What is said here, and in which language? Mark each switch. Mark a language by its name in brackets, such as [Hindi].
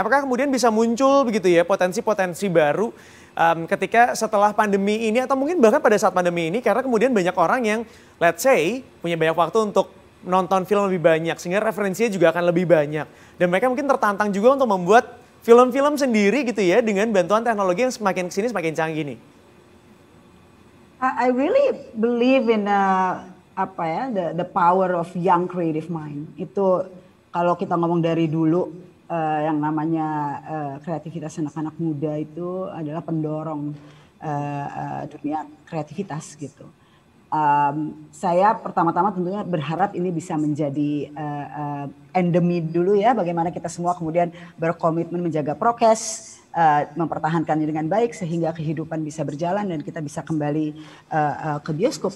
[Indonesian] Apakah kemudian bisa muncul begitu ya potensi-potensi baru ketika setelah pandemi ini atau mungkin bahkan pada saat pandemi ini, karena kemudian banyak orang yang [English] let's say [Indonesian] punya banyak waktu untuk nonton film lebih banyak sehingga referensinya juga akan lebih banyak dan mereka mungkin tertantang juga untuk membuat film-film sendiri gitu ya dengan bantuan teknologi yang semakin kesini semakin canggih nih. [English] I really believe in the power of young creative mind. [Indonesian] Itu kalau kita ngomong dari dulu, yang namanya kreativitas anak-anak muda itu adalah pendorong dunia kreativitas gitu. Saya pertama-tama tentunya berharap ini bisa menjadi endemi dulu ya, bagaimana kita semua kemudian berkomitmen menjaga prokes, mempertahankannya dengan baik sehingga kehidupan bisa berjalan dan kita bisa kembali ke bioskop.